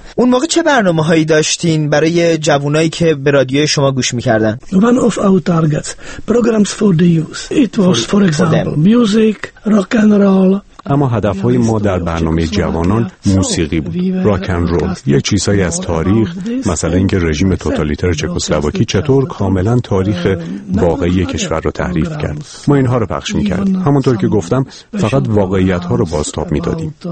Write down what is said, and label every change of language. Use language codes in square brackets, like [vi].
[fa] اون موقع چه برنامه هایی داشتین برای جوانایی که به رادیوی شما گوش میکردن؟ [en] One of our targets, programs for the youth. It was, for example, music, rock and roll. [fa] اما هدفهای ما در برنامه جوانان موسیقی بود، راکن رول، یه چیزهایی از تاریخ، مثلا اینکه رژیم توتالیتر چکسلواکی چطور کاملا تاریخ واقعی کشور رو تحریف کرد. ما اینها رو پخش میکردیم. همونطور که گفتم فقط واقعیتها رو بازتاب میدادیم.